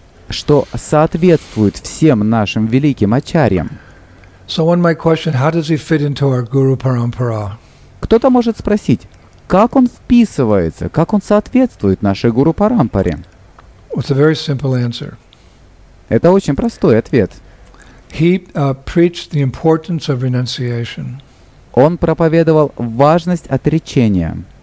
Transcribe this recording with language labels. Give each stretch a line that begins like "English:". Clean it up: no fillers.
Russian: Что соответствует всем нашим великим ачарьям.
English: So one might question, how does he fit into our guru parampara?
Russian: Кто-то может спросить, как он вписывается, как он соответствует нашей гуру парампаре?
English: It's a very simple answer.
Russian: Это очень простой ответ.
English: He preached the importance of renunciation.
Russian: Он проповедовал важность отречения.